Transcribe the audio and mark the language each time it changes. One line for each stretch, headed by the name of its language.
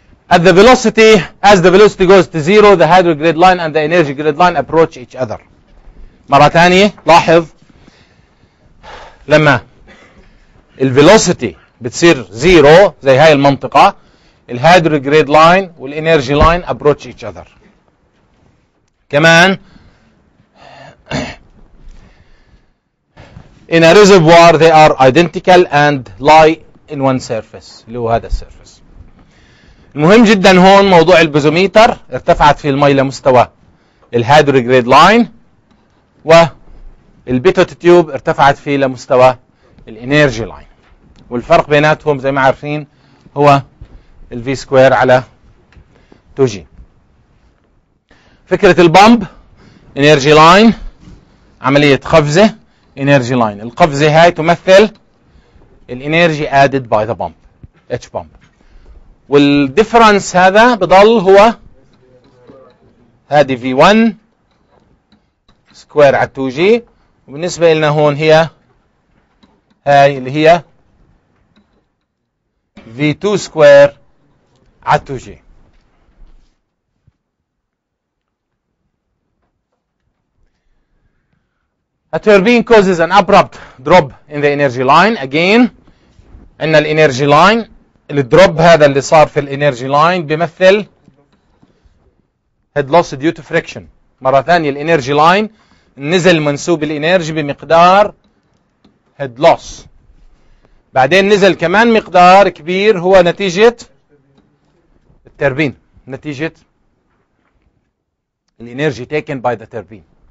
English: at the velocity, as the velocity goes to zero, the hydro grid line and the energy grid line approach each other.
Arabic: مرة ثانية لاحظ لما ال velocity بتصير zero زي هاي المنطقة, ال hydro grid line وال
English: energy line approach each other. كمان in a reservoir they are identical and lie in one surface, اللي هو هذا surface.
Arabic: المهم جدا هون موضوع البزوميتر, ارتفعت في المي لمستوى الهيدرو جريد لاين, والبيتوت تيوب ارتفعت فيه لمستوى الانيرجي لاين, والفرق بيناتهم زي ما عارفين هو الفي سكوير على 2G. فكرة البمب انيرجي لاين, عملية قفزة انيرجي لاين, القفزة هاي تمثل الانيرجي
English: added by the pump,
Arabic: H pump, والديفرنس هذا بضل هو هذه V1 سكوير على 2G, وبالنسبة لنا هون هي هاي اللي هي V2 سكوير على 2G.
English: A turbine causes an abrupt drop in the energy line.
Arabic: Again, عندنا الانرجي لاين, الدروب هذا اللي صار في الانرجي لاين بيمثل
English: Head loss due to friction.
Arabic: مره ثانيه الانرجي لاين نزل منسوب الانرجي بمقدار هيد لوس, بعدين نزل كمان مقدار كبير هو نتيجه التربين, نتيجه
English: الانرجي taken by the turbine.